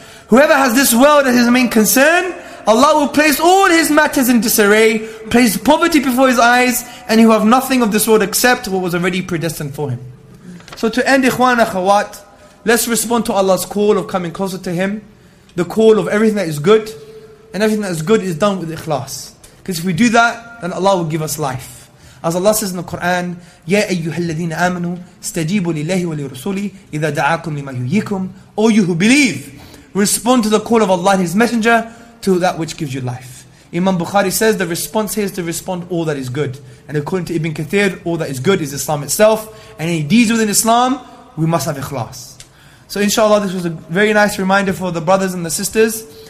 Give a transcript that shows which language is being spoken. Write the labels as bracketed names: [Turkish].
[English] Whoever has this world as his main concern, Allah will place all his matters in disarray, place poverty before his eyes, and he will have nothing of this world except what was already predestined for him. So to end, ikhwan akhawat, let's respond to Allah's call of coming closer to him, the call of everything that is good, and everything that is good is done with ikhlas. Because if we do that, then Allah will give us life. As Allah says in the Quran, [Arabic] يَا أَيُّهَا الَّذِينَ آمَنُوا اسْتَجِيبُوا لِلَّهِ وَلِرُسُولِهِ إِذَا دَعَاكُمْ لِمَا يُحْيِيكُمْ. [English] All you who believe, respond to the call of Allah and His Messenger to that which gives you life. Imam Bukhari says, the response here is to respond all that is good. And according to Ibn Kathir, all that is good is Islam itself. And any deeds within Islam, we must have ikhlas. So inshallah, this was a very nice reminder for the brothers and the sisters.